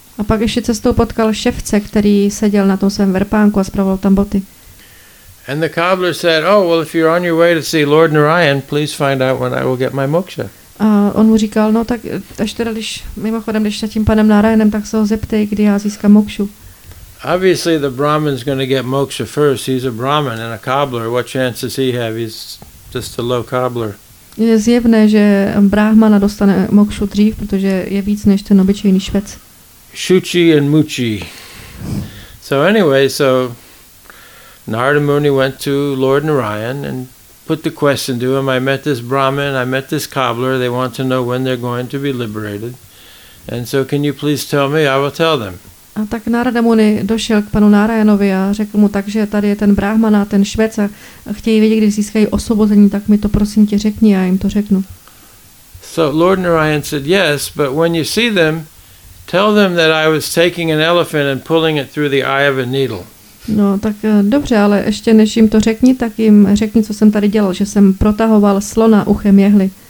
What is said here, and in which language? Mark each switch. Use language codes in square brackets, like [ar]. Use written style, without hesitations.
[cs] A pak ještě cestou potkal ševce, který seděl na tom svém verpánku a spravoval tam boty. [en] And the cobbler said, "Oh, well if you're on your way to see Lord Narayan, please find out when I will get my moksha." [cs] On mu říkal, "No tak až teda když mimochodem když tím panem Narayanem, tak se ho zeptej, kdy já získám mokšu." [en] Obviously the Brahmin's going to get moksha first. He's a Brahmin and a cobbler. What chance does he have? He's just a low cobbler. [cs] Je zjevné, že Brahmana dostane mokšu dřív, protože je víc než ten obyčejný švec. [en] Shuchi and Muchi. So Narada Muni went to Lord Narayan and put the question to him, I met this Brahmin, I met this cobbler, they want to know when they're going to be liberated. And so can you please tell me, I will tell them. [cs] A tak Narada Muni došel k panu Narayanovi a řekl mu tak, že tady je ten Brahman a ten Švec a chtějí vědět, když získají osvobození, tak mi to prosím tě řekni, já jim to řeknu. [en] So Lord Narayan said, yes, but when you see them, tell them that I was taking an elephant and pulling it through the eye of a needle. [cs] No, tak dobře, ale ještě než jim to řekni, tak jim řekni, co jsem tady dělal, že jsem protahoval slona uchem jehly.